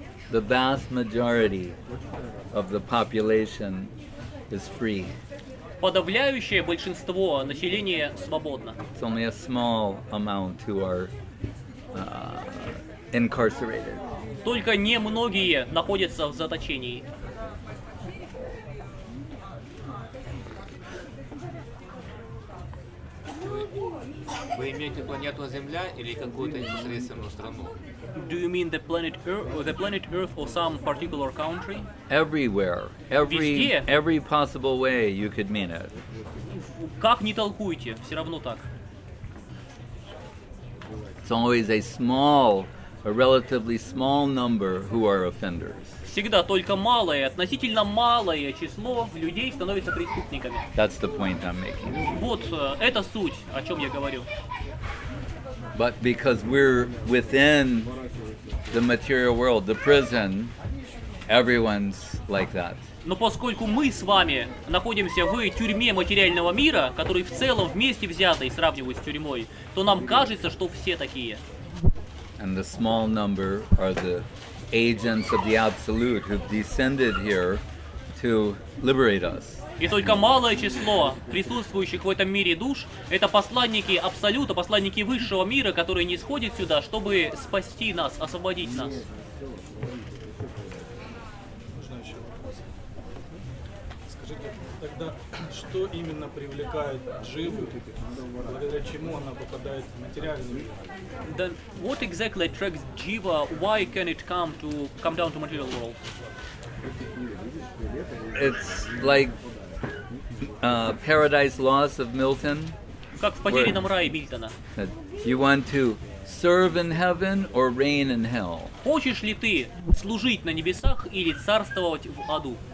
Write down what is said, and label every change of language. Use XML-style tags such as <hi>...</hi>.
<en>The vast majority of the population is free.</en> <ru>Подавляющее большинство населения свободно.</ru> <en>It's only a small amount who are incarcerated.</en> <ru>Только немногие находятся в заточении. Вы имеете планету Земля или какую-то непосредственную страну?</ru> <en>Do you mean the planet Earth or some particular country? Everywhere, every possible way you could mean it.</en> <ru>Как ни толкуйте, все равно так.</ru> <en>It's always a relatively small number who are offenders.</en> <ru>Всегда только малое, относительно малое число людей становится преступниками.</ru> <en>That's the point I'm making.</en> <ru>Вот это суть, о чем я говорю.</ru> <en>But because we're within the material world, the prison, everyone's like that.</en> <ru>Но поскольку мы с вами находимся в тюрьме материального мира, который в целом вместе взятый сравнивают с тюрьмой, то нам кажется, что все такие.</ru> <en>And the small number are the agents of the absolute who've descended here to liberate us.</en> <ru>И только малое число присутствующих в этом мире душ — это посланники Абсолюта, посланники высшего мира, которые нисходят сюда, чтобы спасти нас, освободить нас. Скажите, тогда, что именно привлекает Дживу, благодаря чему она попадает в материальный мир?</ru> <en>Then what exactly attracts Jiva? Why can it come down to material world? It's like Paradise Lost of Milton.</en> <ru>Как в потерянном рае Мильтона.</ru> <en>You want to serve in heaven or reign in hell?</en> <ru>Хочешь ли ты служить на небесах или царствовать в аду?</ru>